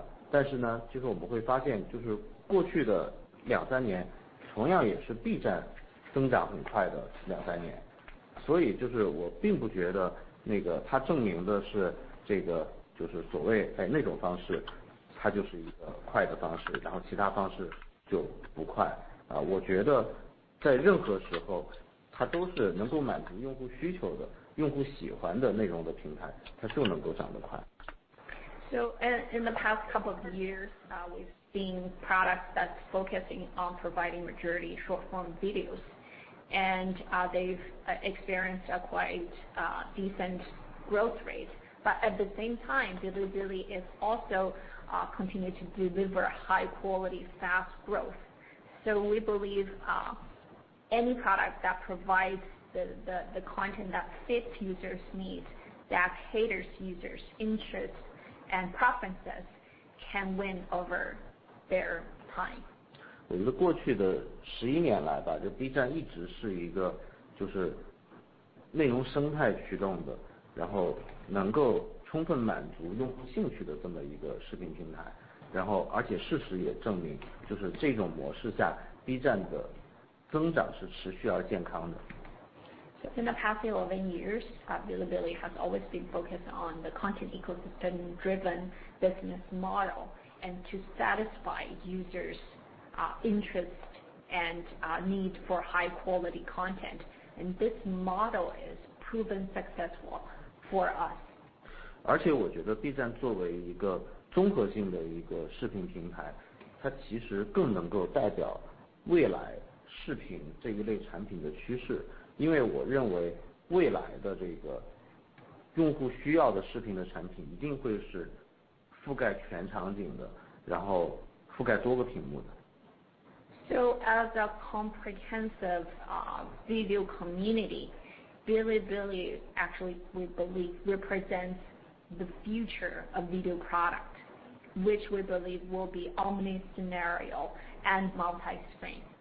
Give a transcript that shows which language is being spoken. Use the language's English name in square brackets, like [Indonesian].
[Chinese] 但是呢就是我们会发现就是过去的两三年同样也是 B 站增长很快的两三年，所以就是我并不觉得那个它证明的是这个就是所谓哎那种方式它就是一个快的方式，然后其他方式就不快啊，我觉得在任何时候它都是能够满足用户需求的、用户喜欢的内容的平台，它就能够长得快。 [English] So in the past couple of years, we've seen products that's focusing on providing majority short form videos, and they've experienced a quite decent growth rate. But at the same time, Bilibili is also continue to deliver high quality fast growth. So we believe any product that provides the content that fits users' needs, that caters users' interests and preferences, can win over their time. [Chinese] 我觉得过去的十一年来吧，就 B 站一直是一个就是内容生态驱动的，然后能够充分满足用户兴趣的这么一个视频平台，然后而且事实也证明，就是这种模式下 B 站的增长是持续而健康的。 [English] So in the past 11 years, Bilibili has always been focused on the content ecosystem driven business model and to satisfy users' interest and need for high quality content. And this model is proven successful for us. [Chinese] 而且我觉得 B 站作为一个综合性的一个视频平台，它其实更能够代表未来视频这一类产品的趋势，因为我认为未来的这个用户需要的视频的产品一定会是覆盖全场景的，然后覆盖多个屏幕的。 [English] So as a comprehensive video community, Bilibili actually we believe represents the future of video product, which we believe will be omni scenario and multi screen.